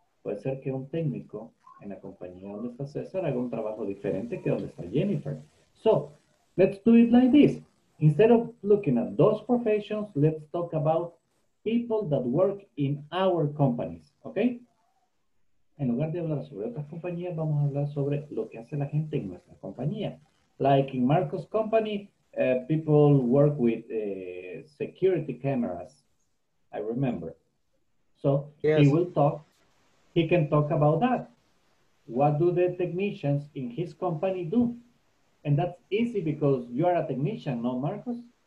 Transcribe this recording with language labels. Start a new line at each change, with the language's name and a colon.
Spanish: Puede ser que un técnico en la compañía donde está Cesar haga un trabajo diferente que donde está Jennifer.
English: So, let's do it like this. Instead of looking at those professions, let's talk about people that work in our companies, okay?
Spanish: En lugar de hablar sobre otras compañías, vamos a hablar sobre lo que hace la gente en nuestra compañía.
English: Like in Marco's company, people work with security cameras, I remember. So yes. He will talk, he can talk about that. What do the technicians in his company do? And that's easy because you are a technician, no, Marcos?